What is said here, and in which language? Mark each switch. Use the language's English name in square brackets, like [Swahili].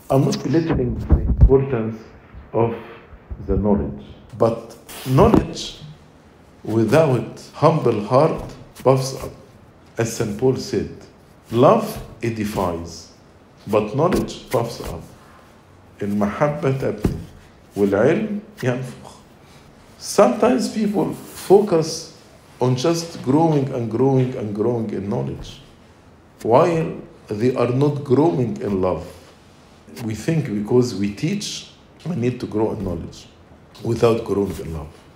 [English] I'm not belittling the importance of the knowledge, but knowledge without humble heart puffs up. As St. Paul said, love edifies, but knowledge puffs up. [Arabic] المحبة تبني والعلم ينفخ. [English] Sometimes people focus on just growing and growing and growing in knowledge, while they are not growing in love. We think because we teach, we need to grow in knowledge without growing in love.